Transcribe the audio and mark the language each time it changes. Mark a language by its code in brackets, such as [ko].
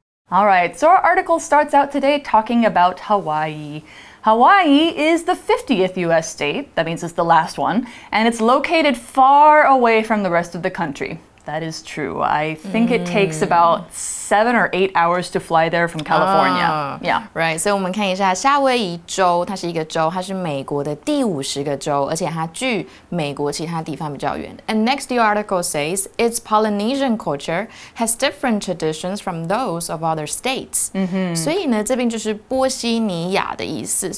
[en] All right, so our article starts out today talking about Hawaii. Hawaii is the 50th U.S. state, that means it's the last one, and it's located far away from the rest of the country. That is true. I think it takes about 7 or 8 hours to fly there from California. Oh, yeah. Right. [zh] 所以我们看一下夏威夷州，它是一个州，它是美国的第50个州，而且它距美国其他地方比较远。 [en] And next, the article says, its Polynesian culture has different traditions from those of other states. Mm-hmm. [zh] 所以呢，这边就是波西尼亚的意思。